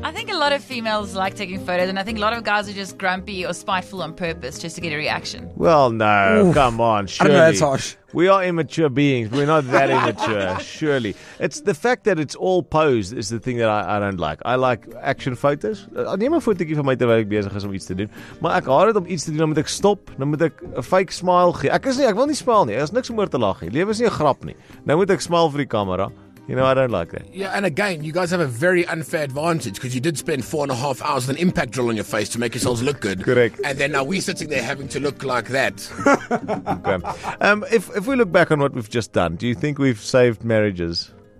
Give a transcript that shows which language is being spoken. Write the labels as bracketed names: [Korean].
[English] I think a lot of females like taking photos and I think a lot of guys are just grumpy or spiteful on purpose just to get a reaction. Well, no. Oof. Come on, surely. I know, that's harsh. We are immature beings. We're not that immature, surely. It's the fact that it's all posed is the thing that I don't like. I like action photos. [Afrikaans] Neem 'n fotootjie van my terwyl ek besig is om iets te doen. Maar ek haat dit om iets te doen, dan moet ek stop. Dan moet ek 'n fake smile gee. Ek is nie, ek wil nie smile nie. Daar is niks om oor te lag nie. Lewe is nie 'n grap nie. Nou moet ek smile vir die kamera. [English] You know, I don't like that. Yeah, and again, you guys have a very unfair advantage because you did spend 4.5 hours with an impact drill on your face to make yourselves look good. Correct. And then now we're sitting there having to look like that. Okay. If we look back on what we've just done, do you think we've saved marriages?